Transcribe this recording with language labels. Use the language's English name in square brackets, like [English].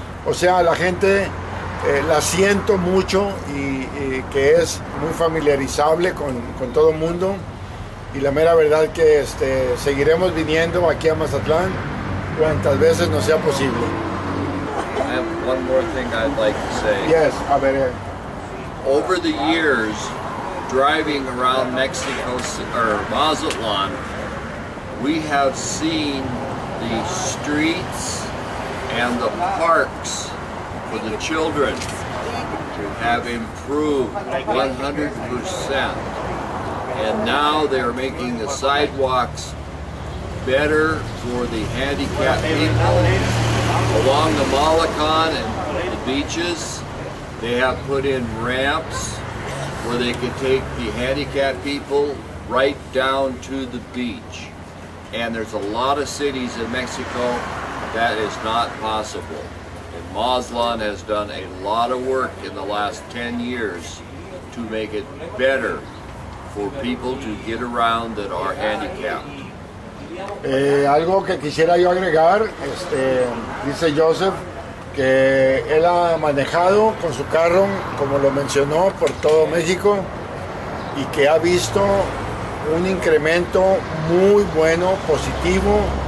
[Spanish] O sea, la gente la siento mucho y que es muy familiarizable con todo mundo. Y la mera verdad que seguiremos viniendo aquí a Mazatlán cuantas veces nos sea posible. [English] I have one more thing I'd like to say. Yes, [Spanish] a ver. [English] Over the years, driving around Mexico or Mazatlán, we have seen the streets and the parks for the children have improved 100%. And now they're making the sidewalks better for the handicapped people. Along the Malecón and the beaches, they have put in ramps where they can take the handicapped people right down to the beach. And there's a lot of cities in Mexico that is not possible. And Mazatlán has done a lot of work in the last 10 years to make it better for people to get around that are handicapped. [Spanish] Algo que quisiera yo agregar, dice Joseph que él ha manejado con su carro, como lo mencionó, por todo México y que ha visto un incremento muy bueno, positivo